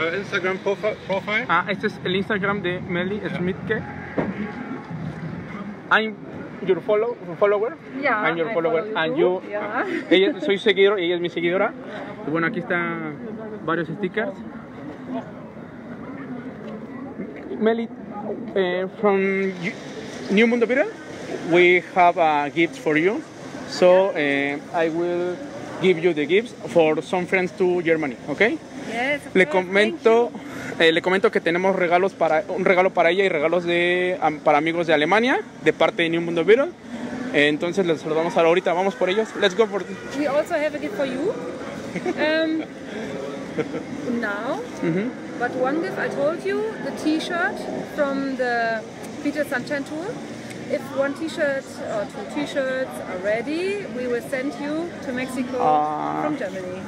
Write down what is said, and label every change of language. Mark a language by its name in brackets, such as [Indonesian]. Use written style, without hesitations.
[English] Instagram profile. [Spanish] Ah, este es el Instagram de Melly Schmidtke. [English] I'm your follower. Yeah. I'm your follower. You. Yeah. [Spanish] Soy seguidor y ella es mi seguidora. Y bueno, aquí están varios stickers. [English] Melly, from New Mundo Beetle, we have a gift for you. So I will. Give you the gifts for some friends to Germany, okay? Yes. [Spanish] Le comento, le comento que tenemos regalos para un regalo para ella y regalos de para amigos de Alemania de parte de New Mundo Beetle. Entonces les saludamos ahorita, vamos por ellos. [English] Let's go for them. We also have a gift for you. Now. Mm-hmm. But one gift I told you, the t-shirt from the Peter Sanchen tour. If one t-shirt or two t-shirts are ready, we will send you to Mexico from Germany.